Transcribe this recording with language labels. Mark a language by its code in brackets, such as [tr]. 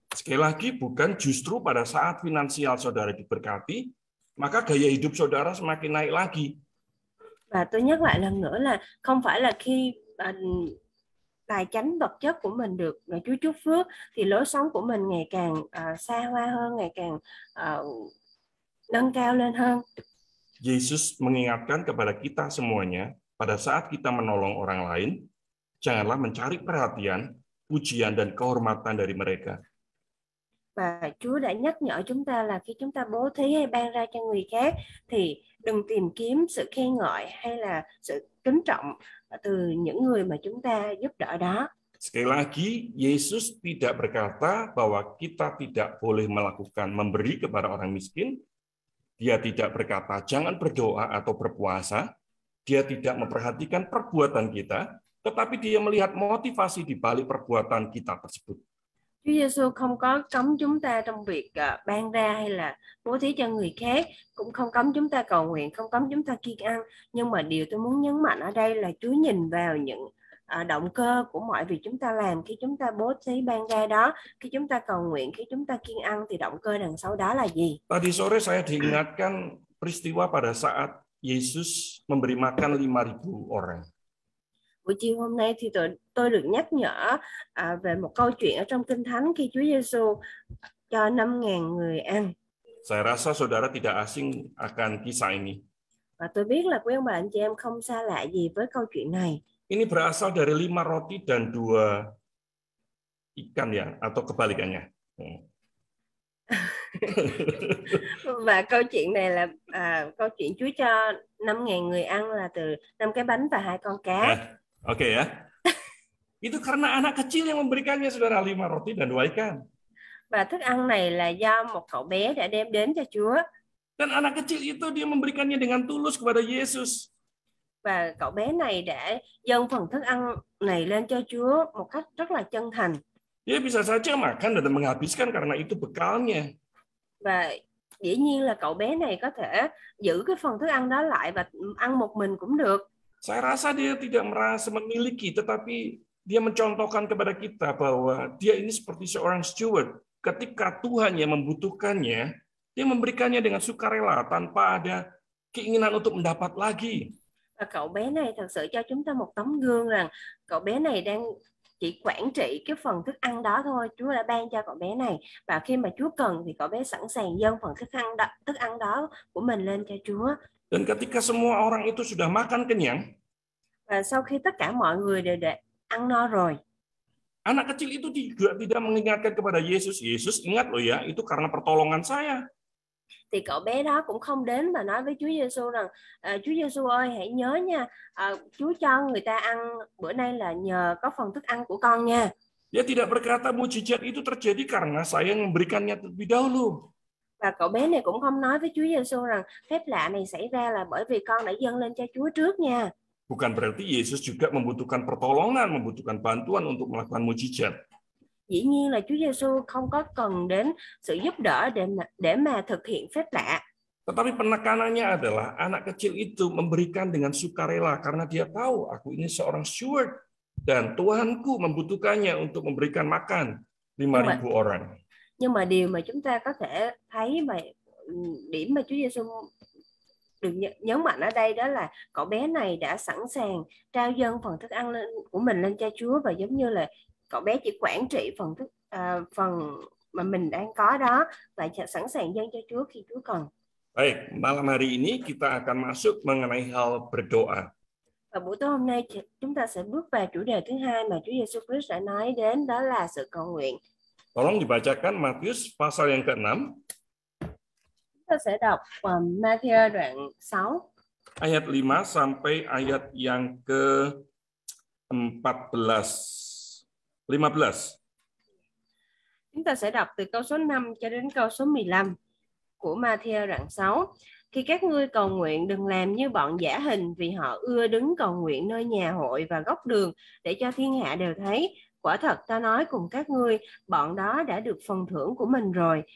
[id] Sekali lagi, bukan justru pada saat finansial saudara diberkati, maka gaya hidup saudara semakin naik lagi. [vi] Và tôi nhắc lại lần nữa là không phải là khi tài chánh vật chất của mình được ngài Chúa chúc phước thì lối sống của mình ngày càng xa hoa hơn, ngày càng nâng cao lên hơn. [id] Yesus mengingatkan kepada kita semuanya, pada saat kita menolong orang lain, janganlah mencari perhatian, pujian, dan kehormatan dari mereka. [vi] Và Chúa đã nhắc nhở chúng ta là khi chúng ta bố thí hay ban ra cho người khác thì đừng tìm kiếm sự khen ngợi hay là sự kính trọng từ những người mà chúng ta giúp đỡ đó. [id] Sekali lagi, Yesus tidak berkata bahwa kita tidak boleh melakukan memberi kepada orang miskin. Dia tidak berkata jangan berdoa atau berpuasa. Dia tidak memperhatikan perbuatan kita, tetapi dia melihat motivasi di balik perbuatan kita tersebut. [vi] Chúa Giêsu không có cấm chúng ta trong việc ban ra hay là bố thí cho người khác, cũng không cấm chúng ta cầu nguyện, không cấm chúng ta kiêng ăn. Nhưng mà điều tôi muốn nhấn mạnh ở đây là Chúa nhìn vào những động cơ của mọi việc chúng ta làm khi chúng ta bố thí ban ra đó, khi chúng ta cầu nguyện, khi chúng ta kiêng ăn thì động cơ đằng sau đó là gì? [id] Tadi sore saya diingatkan peristiwa pada saat Yesus memberi makan 5.000 orang. [vi] Buổi chiều hôm nay thì tôi được nhắc nhở về một câu chuyện ở trong Kinh Thánh khi Chúa Giêsu cho 5.000 người ăn. [id] Saya rasa saudara tidak asing akan kisah ini. [vi] Và tôi biết là quý ông bà anh chị em không xa lạ gì với câu chuyện này. [id] Ini berasal dari 5 roti dan 2 ikan ya, atau kebalikannya. [vi] Và câu chuyện này là câu chuyện Chúa cho 5.000 người ăn là từ 5 cái bánh và 2 con cá. [id] Oke ya. Itu karena anak kecil yang memberikannya saudara 5 roti dan 2 ikan. [vi] Và thức ăn này là do một cậu bé đã đem đến cho Chúa. [id] Dan anak kecil itu dia memberikannya dengan tulus kepada Yesus. [vi] Và cậu bé này đã dâng phần thức ăn này lên cho Chúa một cách rất là chân thành. [id] Dia bisa saja makan dan menghabiskan karena itu bekalnya. [vi] Và dĩ nhiên là cậu bé này có thể giữ cái phần thức ăn đó lại và ăn một mình cũng được. [id] Saya rasa dia tidak merasa memiliki, tetapi dia mencontohkan kepada kita bahwa dia ini seperti seorang steward. Ketika Tuhan yang membutuhkannya, dia memberikannya dengan sukarela tanpa ada keinginan untuk mendapat lagi. [vi] Cậu bé này thật sự cho chúng ta một tấm gương rằng cậu bé này đang chỉ quản trị cái phần thức ăn đó thôi. Chúa đã ban cho cậu bé này và khi mà Chúa cần thì cậu bé sẵn sàng dâng phần thức ăn đó của mình lên cho Chúa. [id] Dan ketika semua orang itu sudah makan kenyang, [vi] và sau khi tất cả mọi người đều đã ăn no rồi, [id] anak kecil itu juga tidak mengingatkan kepada Yesus, Yesus ingat loh ya, itu karena pertolongan saya. [vi] Thì cậu bé đó cũng không đến mà nói với Chúa Giêsu rằng Chúa Giêsu ơi hãy nhớ nha, Chúa cho người ta ăn bữa nay là nhờ có phần thức ăn của con nha. [id] Dia tidak berkata mujizat itu terjadi karena saya yang memberikannya terlebih dahulu. [vi] Và cậu bé này cũng không nói với Chúa Giêsu rằng phép lạ này xảy ra là bởi vì con đã dâng lên cho Chúa trước nha. [id] Bukan berarti Yesus juga membutuhkan pertolongan, membutuhkan bantuan untuk melakukan mujizat. [vi] Dĩ nhiên là Chúa Giêsu không có cần đến sự giúp đỡ để mà thực hiện phép lạ. [id] Tetapi penekanannya adalah anak kecil itu memberikan dengan sukarela karena dia tahu aku ini seorang steward dan Tuhanku membutuhkannya untuk memberikan makan 5.000 orang. [vi] Nhưng mà điều mà chúng ta có thể thấy mà điểm mà Chúa Giêsu được nhấn mạnh ở đây đó là cậu bé này đã sẵn sàng trao dâng phần thức ăn của mình lên cho Chúa và giống như là cậu bé chỉ quản trị phần thức phần mà mình đang có đó và sẵn sàng dâng cho Chúa khi Chúa cần. [id] Baik, malam hari ini kita akan masuk mengenai hal berdoa. [vi] Và buổi tối hôm nay chúng ta sẽ bước vào chủ đề thứ hai mà Chúa Giêsu Christ đã nói đến đó là sự cầu nguyện. [id] Tolong dibacakan Matius pasal yang ke-6. [vi] Chúng ta sẽ đọc Matthew đoạn 6 [id] ayat 5 sampai ayat yang ke 14 15. [vi] Chúng ta sẽ đọc từ câu số 5 cho đến câu số 15 của Matthew đoạn 6. Khi các ngươi cầu nguyện, đừng làm như bọn giả hình, vì họ ưa đứng cầu nguyện nơi nhà hội và góc đường để cho thiên hạ đều thấy. Quả thật ta nói cùng các ngươi, bọn đó đã được phần thưởng của mình rồi.